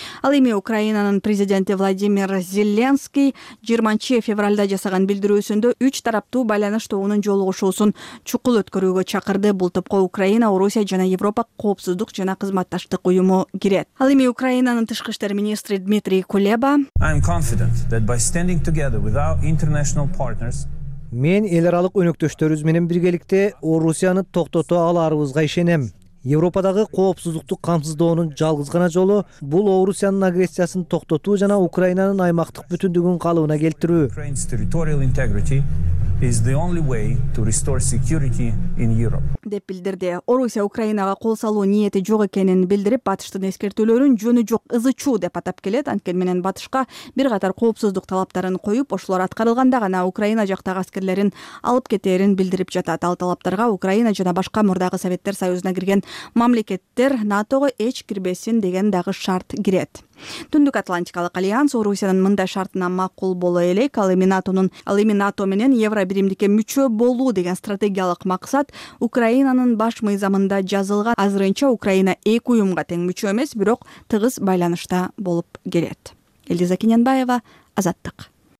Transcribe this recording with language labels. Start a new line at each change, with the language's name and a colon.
Kyrgyz: Ал эми Украинанын президенти Владимир Зеленский 20 февралда жасаган билдирүүсүндө 3 тараптуу байланыш тобунун жолугушуусун чукул өткөрүүгө чакырды. Бул топко Украина, Орусия жана Европа коопсуздук жана кызматташтык уюму кирет. Ал эми Украинанын тышкы иштер министри Дмитрий Кулеба
English: I'm confident that by standing together with our international partners
Kyrgyz: Мен эл аралык өнөктөштөрүбүз менен биргеликте Орусияны токтото аларыбызга ишенем. Европадагы коопсуздукту камсыздоонун жалгыз гана жолу бул Орусиянын агрессиясын токтотуу жана Украинанын аймактык бүтүндүгүн калыбына келтирүү.
English: Is the only way to restore security in Europe.
Kyrgyz: Деп билдирди. Орусия Украинага кол салуу ниети жок экенин билдирип, Батыштын эскертүүлөрүн жөнү жок ызычуу деп атап келет. Анткени менен Батышка бир катар коопсуздук талаптарын коюп, ошолор аткарылганда гана Украина жактагы аскерлерин алып кетээрин билдирип жатат. Ал талаптарга Украина жана башка мурдагы Советтер Союзуна кирген мамлекеттер НАТОго эч кирбесин деген дагы шарт кирет. Түндүк Атлантикалык альянс Орусиянын мындай шартына макул боло элек, ал эми НАТО менен Евробиримдикке мүчө болуу деген стратегиялык максат Украинанын баш мыйзамында жазылган. Азырынча Украина эки уюмга тең мүчө эмес, бирок тыгыз байланышта болуп келет. Элиза Кененбаева, Азаттык.